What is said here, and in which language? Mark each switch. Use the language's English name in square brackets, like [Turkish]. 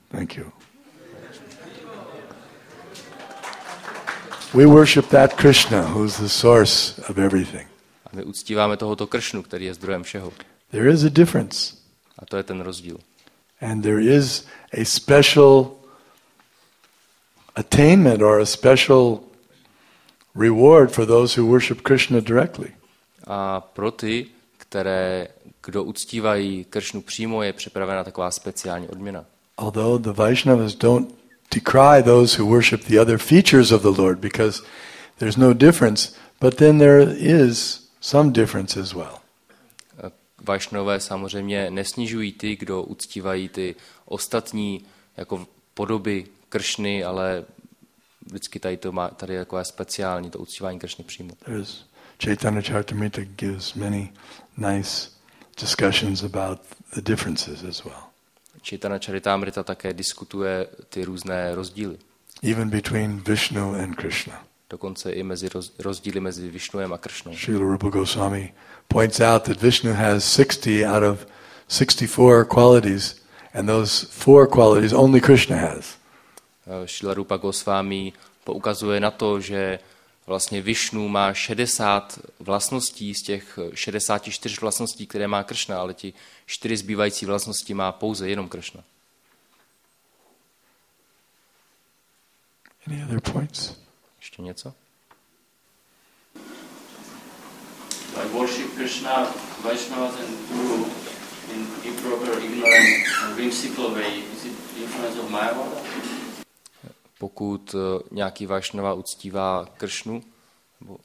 [English] Thank you. We worship that Krishna, who is the source of everything. [Czech] A my uctíváme tohoto Krishnu, který je zdrojem všeho. [English] There is a difference. [Czech] A to je ten rozdíl. [English] And there is a special attainment or a special reward for those who worship Krishna directly. [Czech] A pro ty, kdo uctívají Krishnu přímo, je připravena taková speciální odměna. [English] Although the Vaishnavas don't decry those who worship the other features of the Lord because there's no difference, but then there is some difference as well. [Czech] Vaishnavové samozřejmě nesnižují ty, kdo uctívají ty ostatní jako podoby Krishny, ale vždycky tady je takové speciální to uctívání Krishny přímo. [English] There's Chaitanya Charitamrita gives many nice discussions about the differences as well. [Czech] Chaitanya Charitamrita také diskutuje ty různé rozdíly. [English] Even between Vishnu and Krishna. [Czech] Dokonce i mezi rozdíly mezi Vishnuem a Krishnou. [English] Srila Rupa Goswami points out that Vishnu has 60 out of 64 qualities and those four qualities only Krishna has. [Czech] Srila Rupa Goswami poukazuje na to, že vlastně Vishnu má 60 vlastností z těch 64 vlastností, které má Krishna, ale ti 4 zbývající vlastnosti má pouze jenom Krishna. [English] Any other points? [Czech] Ještě něco? [English] I worship Krishna, Vaishnavas and Guru in improper, ignorant and whimsical way. Is it influence of Mayavada? [Czech] Pokud nějaký Vaishnava uctívá Kršnu, nebo